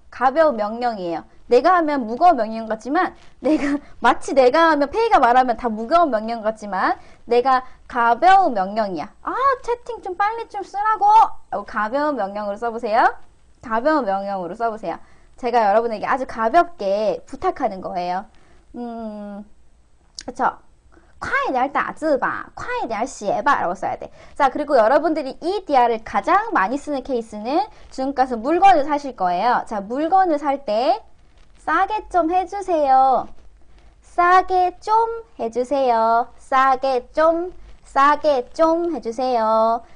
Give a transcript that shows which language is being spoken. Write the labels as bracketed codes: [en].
[ko] 가벼운 명령이에요. 내가 하면 무거운 명령 같지만 내가 마치 내가 하면 페이가 말하면 다 무거운 명령 같지만 내가 가벼운 명령이야. 아, 채팅 좀 빨리 좀 쓰라고. 가벼운 명령으로 써보세요. 가벼운 명령으로 써보세요. 제가 여러분에게 아주 가볍게 부탁하는 거예요. 그쵸? [zh] 快点打字吧,快点写吧 [ko] 라고 써야 돼. 자, 그리고 여러분들이 EDR을 가장 많이 쓰는 케이스는 지금 가서 물건을 사실 거예요. 자, 물건을 살때 싸게 좀 해주세요. 싸게 좀 해주세요. 싸게 좀, 싸게 좀 해주세요.